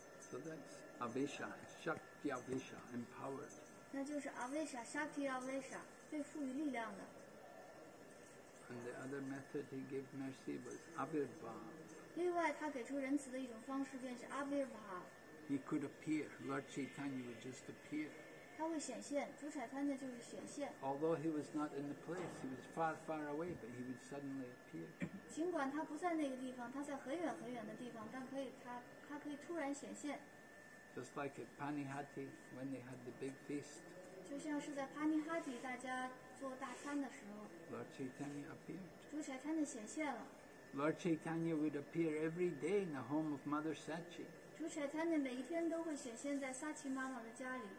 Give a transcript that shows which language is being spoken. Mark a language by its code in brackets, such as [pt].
[en] So that's Avesha, Shakti Avesha, empowered. [zh] 那就是 Avesha, Shakti Avesha, 被赋予力量的。 [en] And the other method he gave mercy was Avirbhav. [zh] 另外他给出仁慈的一种方式便是 Avirbhav. [en] He could appear, Lord Chaitanya would just appear. [zh] 他会显现，主彩参的就是显现。 [en] Although he was not in the place, he was far, far away, but he would suddenly appear. [zh] 尽管他不在那个地方，他在很远很远的地方，但可以他。它可以突然显现。 [en] Just like at Panihati when they had the big feast. [zh] 就像是在 Panihati 大家做大餐的时候。 [en] Lord Chaitanya appeared. [zh] 主 Chaitanya 显现了。 [en] Lord Chaitanya would appear every day in the home of Mother Sachi. [zh] 主 Chaitanya 每一天都会显现在 Sachi 妈妈的家里。